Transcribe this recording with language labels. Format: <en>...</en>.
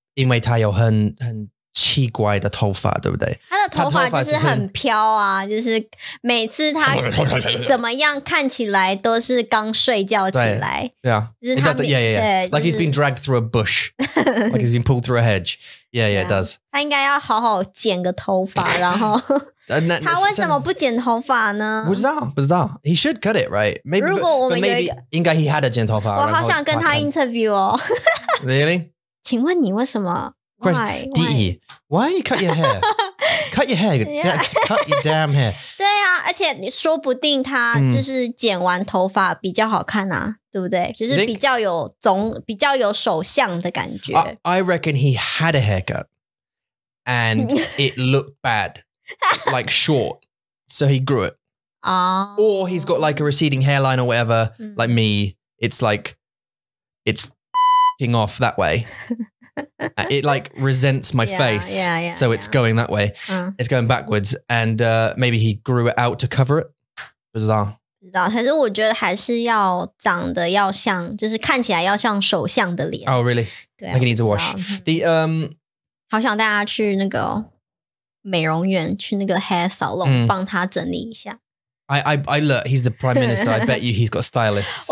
<zh>因为他有很奇怪的头发，对不对？他的头发就是很飘啊，就是每次他怎么样看起来都是刚睡觉起来。对啊，就是他</zh> <en>yeah. Like he's been dragged through a bush, like he's been pulled through a hedge. Yeah, it does.</en> <zh>他应该要好好剪个头发，然后他为什么不剪头发呢？</zh> <en>不知道。 He should cut it, right? Maybe.</en> <zh>如果我们有应该 he had 剪头发，我好想跟他 interview 哦。</zh> <en>Really?</en> <zh>请问你为什么</zh> <en>why you cut your hair? Cut your hair, cut your damn hair.</en> <zh>对啊而且说不定他就是剪完头发比较好看啊对不对就是比较有总比较有首相的感觉。</zh> <en>I reckon he had a haircut and it looked bad, like short, so he grew it.、 Oh. Or he's got like a receding hairline or whatever, like me, it's like it's f***ing off that way. It like resents my face. So it's going that way. It's going backwards. And maybe he grew it out to cover it. Bizarre.</en> <zh>但是我觉得还是要长得要像, 就是看起来要像首相的脸。</zh> <en>Oh, really?</en> <zh>对,</zh> <en>like he needs a wash. The,</en> <zh>好想带他去那个美容院, 去那个 hair salon, 帮他整理一下。</zh> <en>I look, he's the prime minister. I bet you he's got stylists.</en>